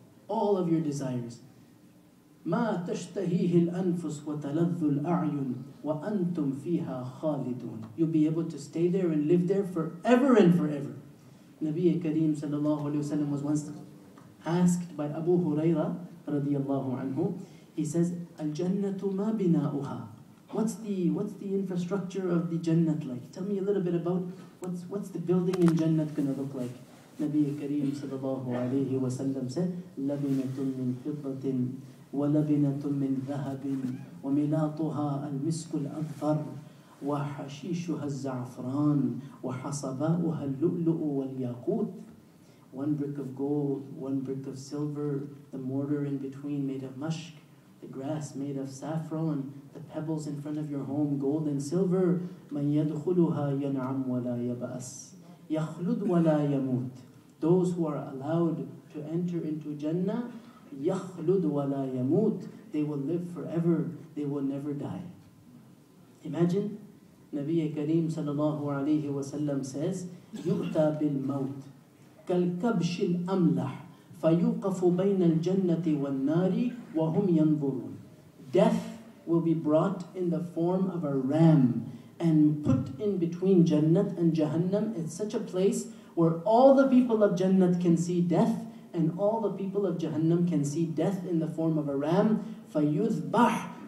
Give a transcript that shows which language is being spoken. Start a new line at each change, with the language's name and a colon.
English: All of your desires.
Arabic: مَا تَشْتَهِيهِ الْأَنفُسُ وَتَلَذُّ الْأَعْيُنُ وَأَنْتُمْ فِيهَا خَالِدُونَ.
English: You'll be able to stay there and live there forever and forever. Nabi Kareem sallallahu alayhi wa sallam was once asked by Abu Huraira radiallahu anhu. He says,
Arabic: أَلْجَنَّةُ مَا بِنَاؤُهَا.
English: What's the infrastructure of the Jannah like? Tell me a little bit about what's the building in Jannah going to look like.
Arabic: Nabi Kareem sallallahu alayhi wa sallam said, لَبِنَةٌ مِّنْ حِطَّةٍ وَلَبِنَةٌ مِّنْ ذَهَبٍ وَمِنَاطُهَا الْمِسْكُ الْأَظْفَرُ وَحَشِيشُهَا الزَّعْفْرَانُ وَحَصَبَاؤُهَا اللُّؤْلُؤُ وَالْيَاقُوتُ.
English: One brick of gold, one brick of silver, the mortar in between made of mushk, the grass made of saffron, the pebbles in front of your home, gold and silver.
Arabic: مَنْ يَدْخُلُهَا يَنْعَمْ وَلَا يَبَأَسُ يَخْلُدْ وَلَا يَمُوتُ.
English: Those who are allowed to enter into Jannah,
Arabic: يَخْلُدْ وَلَا يَمُوتُ. They will live forever, they will never die. Imagine, Nabi Kareem sallallahu alayhi wa sallam says, يُؤْتَى بِالْمَوْتِ كَالْكَبْشِ الْأَمْلَحِ فَيُوقَفُ بَيْنَ الْجَنَّةِ وَالنَّارِ وَهُمْ يَنْظُرُونَ.
English: Death will be brought in the form of a ram and put in between Jannat and Jahannam. It's such a place where all the people of Jannat can see death and all the people of Jahannam can see death in the form of a ram.
Arabic: فَيُذْبَحْ.